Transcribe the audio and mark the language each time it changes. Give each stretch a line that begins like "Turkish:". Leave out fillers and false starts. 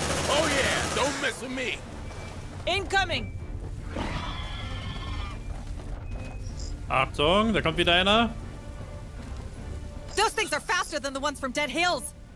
English: Oh yeah, don't mess with me! Incoming!
German: Achtung, da kommt wieder einer.
English: Those things are faster than the ones from Dead Hills!